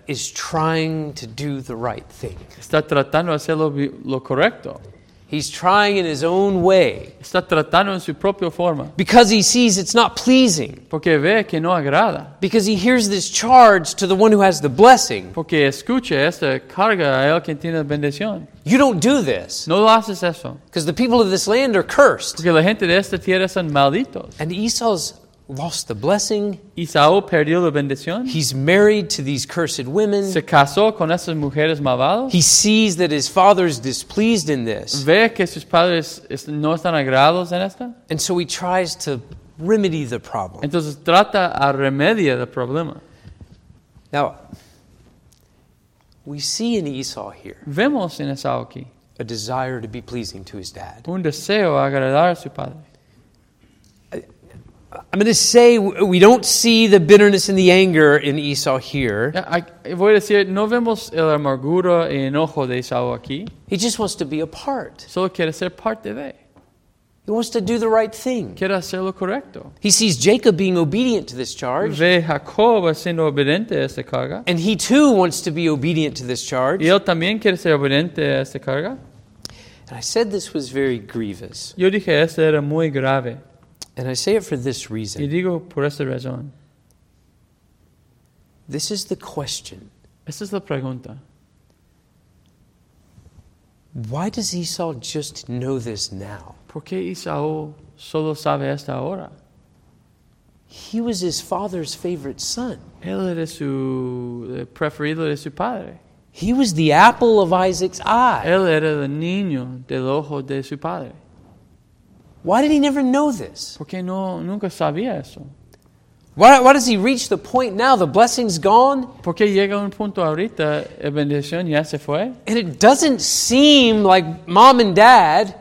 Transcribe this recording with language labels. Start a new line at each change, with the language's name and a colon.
English: is trying to do the right thing.
Spanish: Está tratando de hacer lo correcto.
English: He's trying in his own way.
Spanish: Está tratando en su propia forma.
English: Because he sees it's not pleasing.
Spanish: Porque ve que no agrada.
English: Because he hears this charge to the one who has the blessing.
Spanish: Porque escucha esta carga a él quien tiene la bendición.
English: You don't do this.
Spanish: No lo haces eso.
English: Because the people of this land are cursed.
Spanish: Porque la gente de esta tierra son malditos.
English: And Esau's lost the blessing.
Spanish: Esau perdió la bendición.
English: He's married to these cursed women.
Spanish: Se casó con esas mujeres malvadas.
English: He sees that his father is displeased in this.
Spanish: Ve que sus padres no están agrados en esta.
English: And so he tries to remedy the problem.
Spanish: Entonces trata a remedia el problema.
English: Now, we see in Esau here.
Spanish: Vemos en Esau aquí.
English: A desire to be pleasing to his dad.
Spanish: Un deseo a agradar a su padre.
English: I'm going to say we don't see the bitterness and the anger in Esau here.
Spanish: I voy a decir, no vemos el amargura y enojo de Esau aquí.
English: He just wants to be a part.
Spanish: Solo quiere ser parte de.
English: He wants to do the right thing.
Spanish: Quiere hacer lo correcto.
English: He sees Jacob being obedient to this charge.
Spanish: Ve Jacob siendo obediente a esta carga.
English: And he too wants to be obedient to this charge.
Spanish: Y él también quiere ser obediente a esta carga.
English: And I said this was very grievous.
Spanish: Yo dije, esto era muy grave.
English: And I say it for this reason.
Spanish: Y digo por esta razón.
English: This is the question.
Spanish: Esta es la pregunta.
English: Why does Esau just know this now?
Spanish: ¿Por qué Esau solo sabe esto ahora?
English: He was his father's favorite son.
Spanish: Él era su preferido de su padre.
English: He was the apple of Isaac's eye.
Spanish: Él era el niño del ojo de su padre.
English: Why did he never know this?
Spanish: Porque no, nunca sabía eso.
English: Why does he reach the point now? The blessing's gone.
Spanish: Porque llega un punto ahorita, la bendición ya se fue.
English: And it doesn't seem like mom and dad.